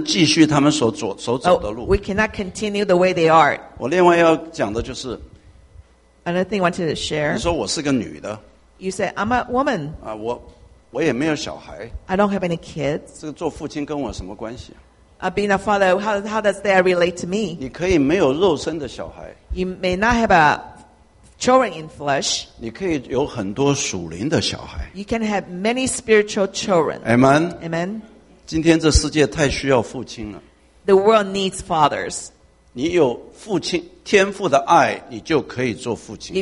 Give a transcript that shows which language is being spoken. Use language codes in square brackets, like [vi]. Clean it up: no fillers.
[zh] 我们可能不能继续他们所走的路, [en] we cannot continue the way they are. [zh] 我另外要讲的就是, [en] another thing I wanted to share, [zh] 你说我是个女的, [en] you said I'm a woman, [zh] 我也没有小孩, [en] I don't have any kids, [zh] 这个做父亲跟我什么关系, [en] being a father, how does that relate to me? [zh] 你可以没有肉身的小孩, [en] you may not have a children in flesh, [zh] 你可以有很多属灵的小孩, [en] you can have many spiritual children. Amen. Amen. [zh] 今天这世界太需要父亲了, [en] the world needs fathers. [zh] 你有父亲, 天父的爱, 你就可以做父亲,